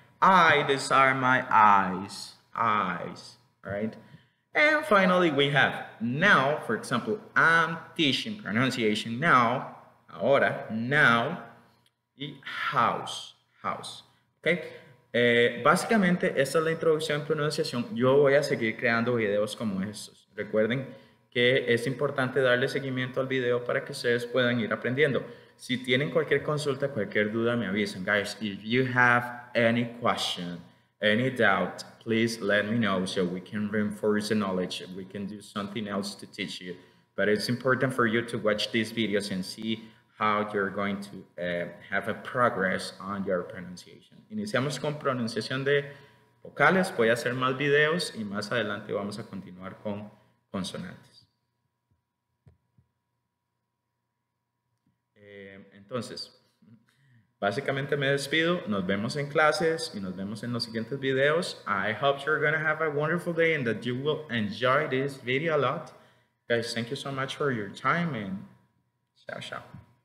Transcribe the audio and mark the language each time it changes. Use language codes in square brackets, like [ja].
[en] I, these are my eyes, right? And finally, we have now, for example, I'm teaching pronunciation now, ahora, now, y house, okay? [es] Básicamente, esta es la introducción en pronunciación. Yo voy a seguir creando videos como estos. Recuerden que es importante darle seguimiento al video para que ustedes puedan ir aprendiendo. Si tienen cualquier consulta, cualquier duda, me avisan. [en] Guys, if you have any question, any doubt, please let me know so we can reinforce the knowledge. We can do something else to teach you. But it's important for you to watch these videos and see how you're going to have a progress on your pronunciation. [es] Iniciamos con pronunciación de vocales. Voy a hacer más videos y más adelante vamos a continuar con consonantes. Entonces, básicamente me despido. Nos vemos en clases y nos vemos en los siguientes videos. [en] I hope you're going to have a wonderful day and that you will enjoy this video a lot. Guys, thank you so much for your time and ciao.